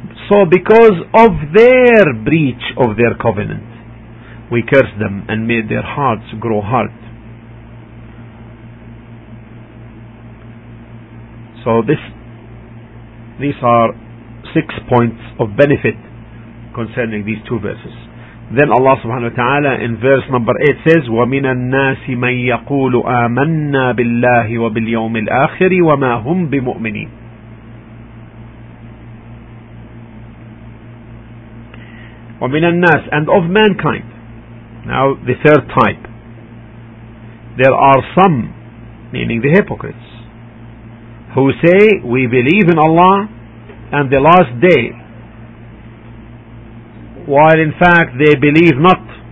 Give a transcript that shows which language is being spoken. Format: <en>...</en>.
<en>So because of their breach of their covenant, we cursed them and made their hearts grow hard. So these are 6 points of benefit concerning these two verses. Then Allah subhanahu wa ta'ala in verse number 8 says,</en> <ar>وَمِنَ النَّاسِ مَنْ يَقُولُ آمَنَّا بِاللَّهِ وَبِالْيَوْمِ الْآخِرِ وَمَا هُمْ بِمُؤْمِنِينَ. وَمِنَ النَّاسِ,</ar> <en>and of mankind. Now the third type. There are some, meaning the hypocrites, who say, we believe in Allah and the last day, while in fact they believe not.</en>